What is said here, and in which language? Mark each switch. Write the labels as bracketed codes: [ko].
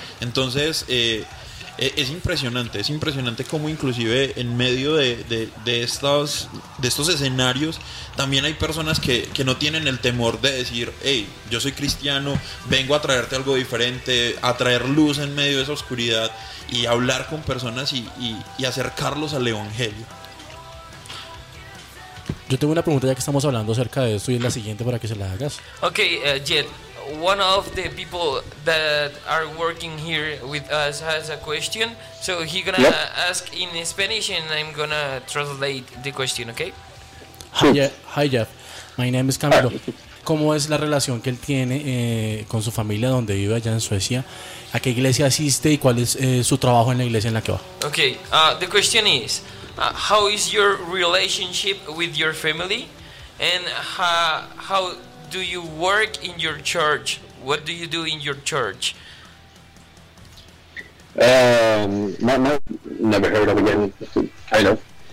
[es] Entonces es impresionante cómo inclusive en medio de estos escenarios también hay personas que no tienen el temor de decir, hey, yo soy cristiano, vengo a traerte algo diferente, a traer luz en medio de esa oscuridad y hablar con personas y acercarlos al evangelio. Yo tengo una pregunta ya que estamos hablando acerca de esto y es la siguiente para que se la hagas. [en] Okay, Jed. One of the people that are working here with us has a question, so he's gonna ask in Spanish and I'm gonna translate the question, okay? Hi Jeff, my name is Camilo. [es] ¿Cómo es la relación que él tiene con su familia donde vive allá en Suecia? ¿A qué iglesia asiste y cuál es su trabajo en la iglesia en la que va? [en] Okay, the question is, how is your relationship with your family and how do you work in your church? What do you do in your church? No, never heard of again. Kind of.